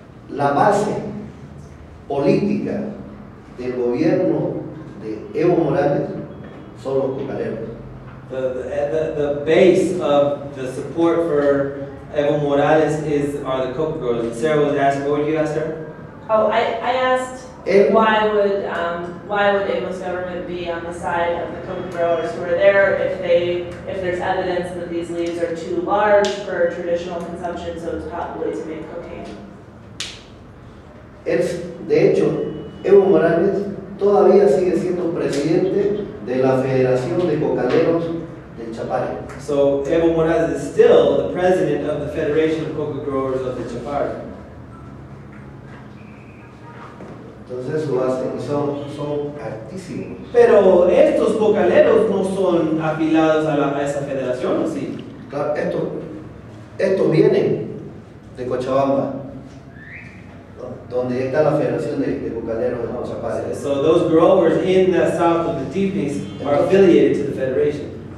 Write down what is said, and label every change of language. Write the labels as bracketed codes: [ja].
[es] La base política del gobierno de Evo Morales son los cocaleros. [en] The base of the support for Evo Morales are the coca growers. Sarah was asking, what would you ask her? Oh, I asked why would Evo's government be on the side of the coca growers who are there if there's evidence that these leaves are too large for traditional consumption, so it's probably to make cocaine. [es] Es de hecho, Evo Morales todavía sigue siendo presidente de la Federación de Cocaleros. [en] So Evo Morales is still the president of the Federation of Coca Growers of the Chapare. [es] Entonces lo hacen, son altísimos. Pero estos cocaleros no son afiliados a esa federación, ¿o sí? Claro, esto viene de Cochabamba, donde está la Federación de Cocaleros de Chapare. [en] So those growers in the south of the Tipis are affiliated to the federation.